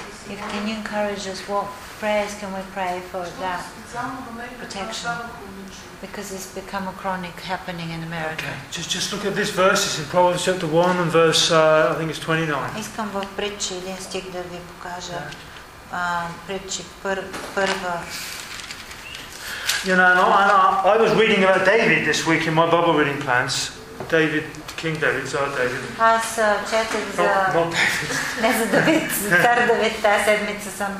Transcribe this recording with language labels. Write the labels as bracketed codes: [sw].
[en] If can you encourage us, what prayers can we pray for that protection? Because it's become a chronic happening in America. Okay. Just look at this verse. It's in Proverbs chapter 1 and verse, I think it's 29. [bg] Искам в притчи един стик да ви покажа. Притчи първа. [en] You know, I was reading about David this week in my Bible reading plans. David, King David, sorry, David. [bg] Аз четах за... [en] Not David. [bg] Не за Давид, за цар Давид тази седмица съм.